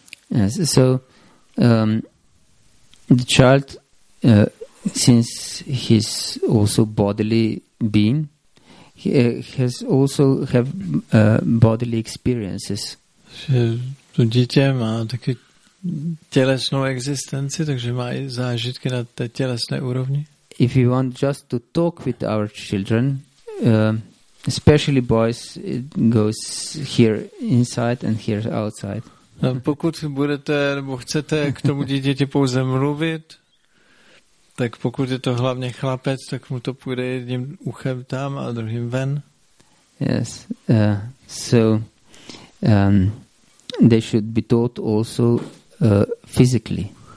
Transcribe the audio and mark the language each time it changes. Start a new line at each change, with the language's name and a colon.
English: Yes, so the child, since he's also bodily being, he has also have bodily experiences.
Czech: Že to dítě má taky tělesnou existenci, takže má i zážitky na té tělesné úrovni.
English: If you want just to talk with our children, especially boys, it goes here inside and here outside.
Czech: A pokud budete nebo chcete k tomu dítěti pouze mluvit, tak pokud je to hlavně chlapec, tak mu to půjde jedním uchem tam a druhým ven.
English: Yes. So they should be taught also physically.